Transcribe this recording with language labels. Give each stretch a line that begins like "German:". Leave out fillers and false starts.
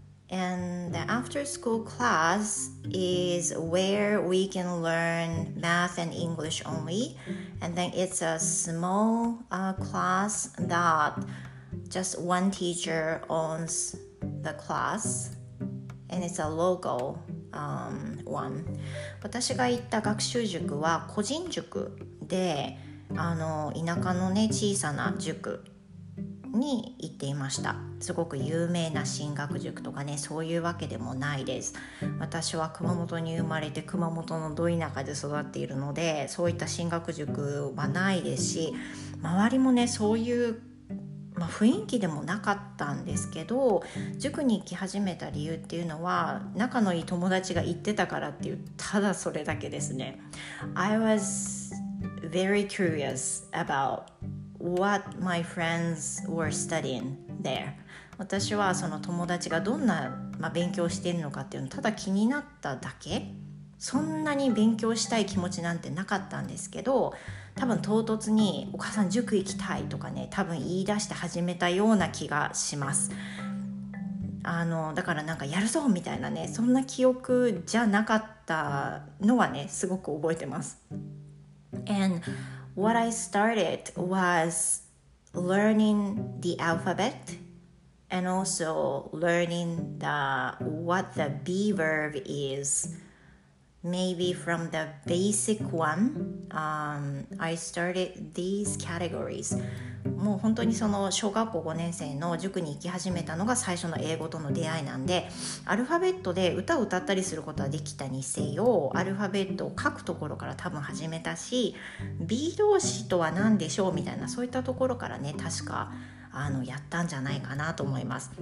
English: And the after school class is where we can learn math and English only. And then it's a small class that just one teacher owns the class. And it's a local one.
Japanese: 私が行った学習塾は個人塾で、田舎のね、小さな塾に行っていました。すごく有名な進学塾とかねそういうわけでもないです。私は熊本に生まれて熊本のど田舎で育っているのでそういった進学塾はないですし、周りもねそういう、まあ、雰囲気でもなかったんですけど、塾に行き始めた理由っていうのは仲のいい友達が行ってたからっていう、ただそれだけですね。
English: I was very curious aboutWhat my friends were studying there.
Japanese: 私はその友達がどんな、まあ、勉強しているのかっていうのただ気になっただけ。そんなに勉強したい気持ちなんてなかったんですけど、多分唐突にお母さん塾行きたいとかね、多分言い出して始めたような気がします。だからなんかやるぞみたいなね、そんな記憶じゃなかったのはね、すごく覚えてます。
English: AndWhat I started was learning the alphabet and also learning what the B verb is. maybe from the basic one、I started these categories.
Japanese: もう本当にその小学校5年生の塾に行き始めたのが最初の英語との出会いなんで、アルファベットで歌を歌ったりすることはできたにせよ、アルファベットを書くところから多分始めたし、 B 動詞とは何でしょうみたいな、そういったところからね、確かやったんじゃないかなと思います。